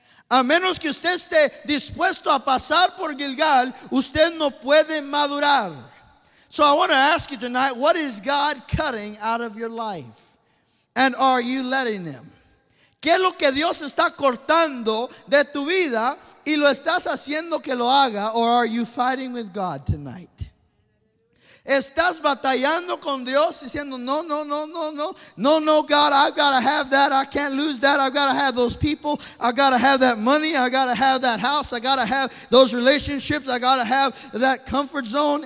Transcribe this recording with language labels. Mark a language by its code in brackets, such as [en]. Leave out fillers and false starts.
[es] A menos que usted esté dispuesto a pasar por Gilgal, usted no puede madurar. [en] So I want to ask you tonight, what is God cutting out of your life? And are you letting him? [es] ¿Qué es lo que Dios está cortando de tu vida y lo estás haciendo que lo haga? [en] Or are you fighting with God tonight? [es] ¿Estás batallando con Dios diciendo, [en] no, no, no, no, no, no, no, God, I've got to have that, I can't lose that, I've got to have those people, I've got to have that money, I've got to have that house, I've got to have those relationships, I've got to have that comfort zone?